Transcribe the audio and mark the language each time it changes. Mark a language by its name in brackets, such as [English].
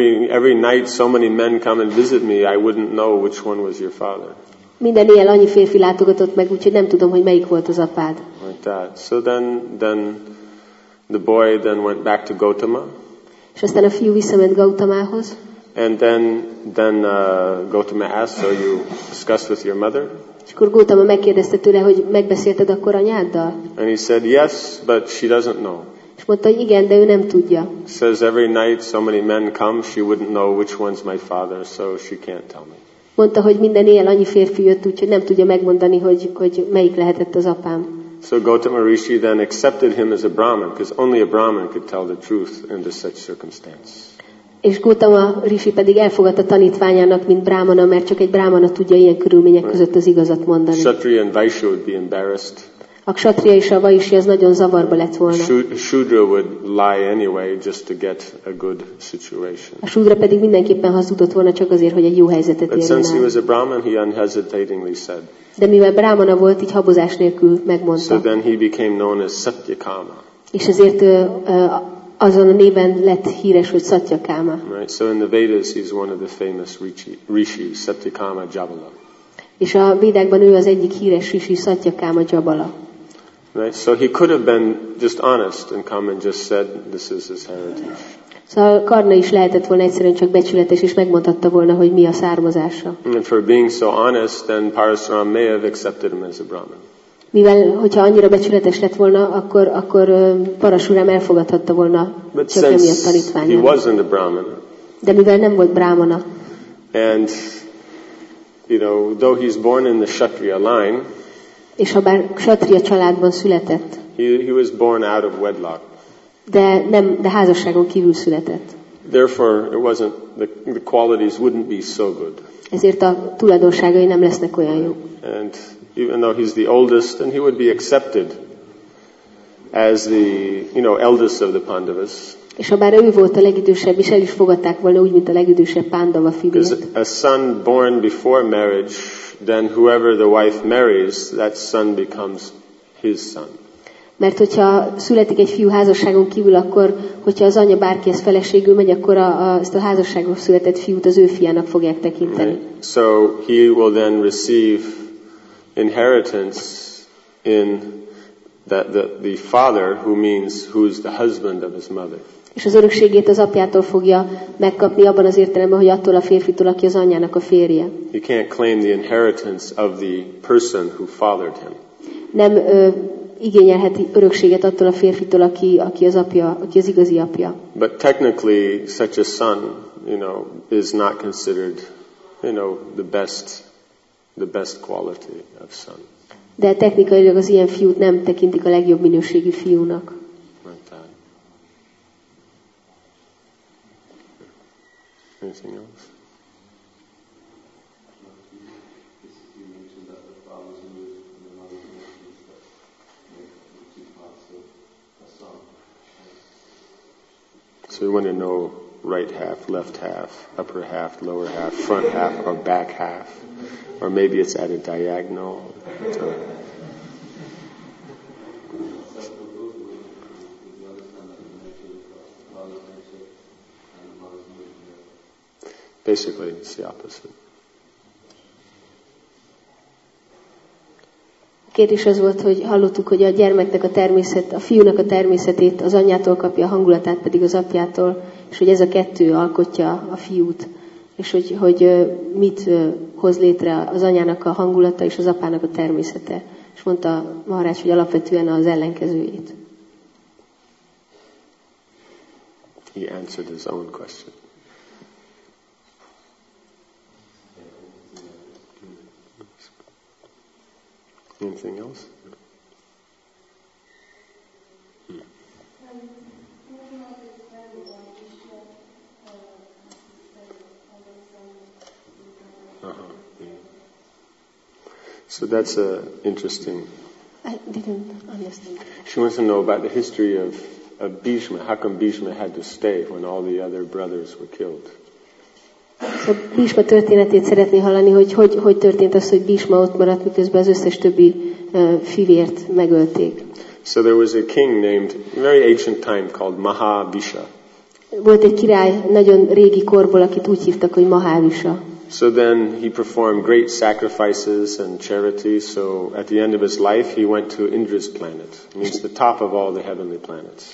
[English] Every night so many men come and visit me, I wouldn't know which one was your father. [Hungarian] Minden éjjel annyi férfi látogatott meg, úgyhogy nem tudom, hogy melyik volt az apád. [English] Like that. So then the boy then went back to Gautama. [Hungarian] És aztán a fiú visszament Gautamához. [English] And then Gautama asked, so you discussed with your mother? [Hungarian] És akkor Gautama megkérdezte tőle, hogy megbeszélted akkor anyáddal? [English] And he said, yes, but she doesn't know. [Hungarian] És mondta, hogy igen, de ő nem tudja. [English] Says every night so many men come, she wouldn't know which one's my father, so she can't tell me. [Hungarian] Mondta, hogy minden éjjel annyi férfi jött, úgyhogy nem tudja megmondani, hogy melyik lehetett az apám. [English] So Gautama Rishi then accepted him as a Brahman, because only a Brahman could tell the truth under such circumstance. [Hungarian] És Gautama Rishi pedig elfogadta tanítványának, mint Brahmana, mert csak egy Brahmana tudja ilyen körülmények között az igazat mondani. [English] Kshatriya and Vaishya would be embarrassed. [Hungarian] A ksatria és a vaisi az nagyon zavarba lett volna. [English] Shudra would lie anyway just to get a good situation. [Hungarian] A shudra pedig mindenképpen hazudott volna csak azért, hogy egy jó helyzetet érjen. [English] But since he was a brahman, he unhesitatingly said. [Hungarian] De mivel brahmana volt, így habozás nélkül megmondta. [English] So then he became known as Satyakama. [Hungarian] És ezért azon a néven lett híres, hogy Satyakama. [English] Right. So in the Vedas, he's one of the famous rishis, Satyakama Jabala. [Hungarian] És a Védákban ő az egyik híres rishi, Satyakama Jabala. [English] Right. So he could have been just honest and come and just said, this is his heritage. [Hungarian] Szóval Karna is lehetett volna egyszerűen csak becsületes, és megmondhatta volna, hogy mi a származása. [English] And for being so honest, then Parasram may have accepted him as a Brahman. [Hungarian] Mivel, hogyha annyira becsületes lett volna, akkor Parasuram elfogadhatta volna csak emiatt tanítványát. [English] He wasn't a Brahman. [Hungarian] De mivel nem volt brahmana. [English] And you know, though he's born in the Kshatriya line. [Hungarian] És ha bár Kshatriya családban született. [English] He was born out of wedlock. [Hungarian] De nem, de házasságon kívül született. [English] Therefore, it wasn't the qualities wouldn't be so good. [Hungarian] Ezért a tulajdonságai nem lesznek olyan jók. [English] And even though he's the oldest, and he would be accepted as the, you know, eldest of the Pandavas. [Hungarian] És ha bár ő volt a legidősebb, és el is fogadták volna úgy, mint a legidősebb Pandava fiú. [English] A son born before marriage, then whoever the wife marries, that son becomes his son. [Hungarian] Mert hogyha születik egy fiú házasságon kívül, akkor hogyha az anya bárkihez feleségül megy, akkor ezt a házasságon született fiút az ő fiának fogják tekinteni. [English] Right. So he will then receive inheritance in that the father, who means who's the husband of his mother. [Hungarian] És az örökségét az apjától fogja megkapni abban az értelemben, hogy attól a férfitől, aki az anyjának a férje. [English] He can't claim the inheritance of the person who fathered him. [Hungarian] Nem igényelheti örökséget attól a férfitől, aki az apja, aki az igazi apja. [English] But technically such a son, you know, is not considered, you know, the best quality of son. [Hungarian] De technikailag az ilyen fiút nem tekintik a legjobb minőségű fiúnak. [English] Anything else? So we want to know right half, left half, upper half, lower half, front half, or back half. Or maybe it's at a diagonal. Basically, it's the opposite. [Hungarian] Kérdés az volt, hogy hallottuk, hogy a gyermeknek a természet, a fiúnak a természetét az anyjától kapja, a hangulatát pedig az apjától, és hogy ez a kettő alkotja a fiút, és hogy mit hoz létre az anyának a hangulata és az apának a természete. És mondta Maharács, hogy alapvetően az ellenkezőjét. [English] He answered his own question. Anything else? So that's a interesting. I didn't understand. She wants to know about the history of Bhishma. How come Bhishma had to stay when all the other brothers were killed? [Hungarian] A Bhishma történetét szeretné hallani, hogy történt az, hogy Bhishma ott maradt, miközben az összes többi fivért megölték. [English] So there was a king named very ancient time called Mahabisha. [Hungarian] Volt egy király nagyon régi korból, akit úgy hívtak, hogy Mahabisha. [English] So then he performed great sacrifices and charity. So at the end of his life, he went to Indra's planet, means the top of all the heavenly planets.